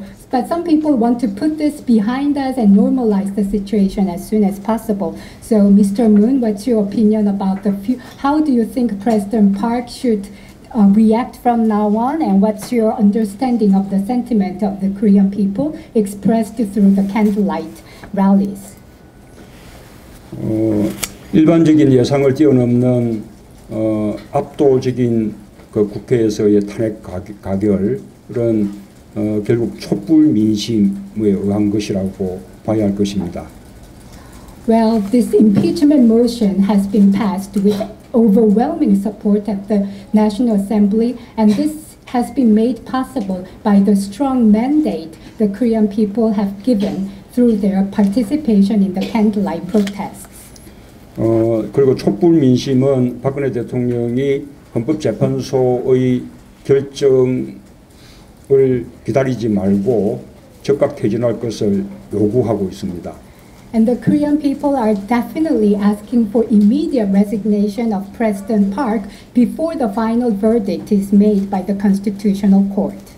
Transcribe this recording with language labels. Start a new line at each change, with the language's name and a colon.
English: But some people want to put this behind us and normalize the situation as soon as possible. So, Mr. Moon, what's your opinion about the how do you think President Park should react from now on, and what's your understanding of the sentiment of the Korean people expressed through the candlelight rallies?
Korean: 일반적인 예상을 뛰어넘는 압도적인 그 국회에서의 탄핵 가결은 결국 촛불 민심에 의한 것이라고 봐야 할 것입니다.
English: Well, this impeachment motion has been passed with overwhelming support at the National Assembly, and this has been made possible by the strong mandate the Korean people have given through their participation in the candlelight protests.
Korean: 그리고 촛불 민심은 박근혜 대통령이 헌법재판소의 결정을 기다리지 말고 즉각 퇴진할 것을 요구하고 있습니다.
English: And the Korean people are definitely asking for immediate resignation of President Park before the final verdict is made by the Constitutional Court.